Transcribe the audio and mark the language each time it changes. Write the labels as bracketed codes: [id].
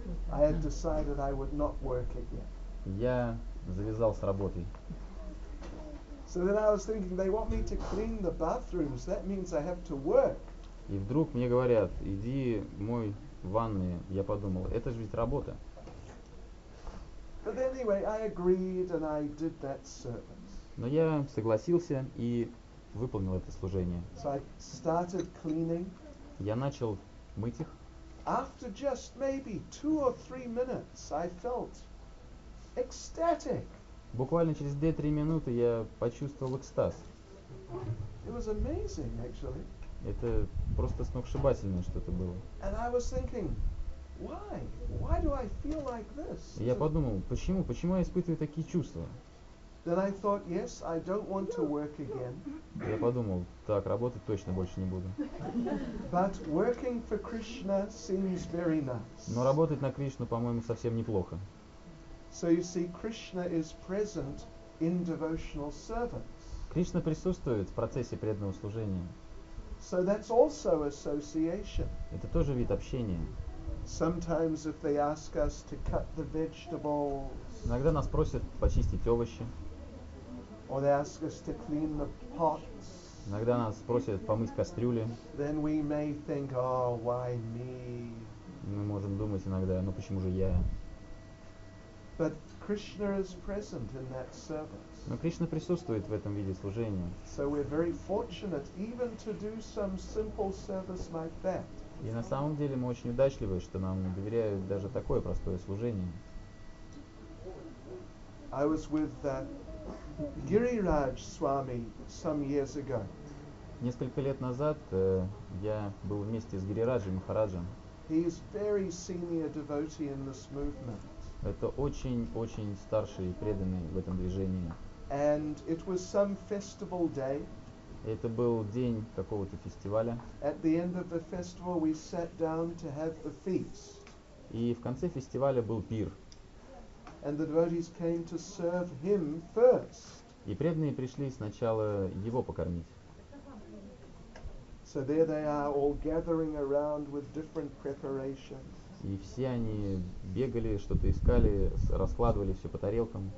[en] I had decided I would not work again. [ru] Я завязал с работой. [en] So then I was thinking, they want me to clean the bathrooms. That means I have to work. [ru] И вдруг мне говорят, иди мой ванные. Я подумал, это же ведь работа. [en] But anyway, I agreed and I did that service. [ru] Но я согласился и выполнил это служение. [en] So I started cleaning. [ru] Я начал мыть их. [en] After just maybe two or three minutes, I felt ecstatic. [ru] Буквально через 2-3 минуты я почувствовал экстаз. [en] It was amazing, actually. [ru] Это просто сногсшибательное что-то было. [en] And I was thinking, why? Why do I feel like this? [ru] Я подумал, почему я испытываю такие чувства? [en] Then I thought, yes, I don't want to work again. [ru] Я подумал, так, работать точно больше не буду. [en] But working for Krishna seems very nice. [ru] Но работать на Кришну, по-моему, совсем неплохо. [en] So you see, Krishna is present in devotional service. [ru] Кришна присутствует в процессе преданного служения. [en] So that's also association. [ru] Это тоже вид общения. [en] Sometimes if they ask us to cut the vegetables. [ru] Иногда нас просят почистить овощи. [en] Or they ask us to clean the pots. [ru] Иногда нас просят помыть кастрюли. [en] Then we may think, oh, why me? [ru] Мы можем думать иногда, ну почему же я? [en] But Krishna is present in that service. [ru] Но Кришна присутствует в этом виде служения. [en] So we're very fortunate even to do some simple service like that. [ru] И на самом деле мы очень удачливы, что нам доверяют даже такое простое служение. [en] I was with that Giriraj Swami some years ago. [ru] Несколько лет назад я был вместе с Гирираджем Махараджем. [en] He is very senior devotee in this movement. [ru] Это очень-очень старший преданный в этом движении. [en] And it was some festival day. [ru] Это был день какого-то фестиваля. [en] At the end of the festival we sat down to have the feast. [ru] И в конце фестиваля был пир. [en] And the devotees came to serve him first. [ru] И преданные пришли сначала его покормить. [en] So there they are all gathering around with different preparations. [ru] И все они бегали, что-то искали, раскладывали все по тарелкам.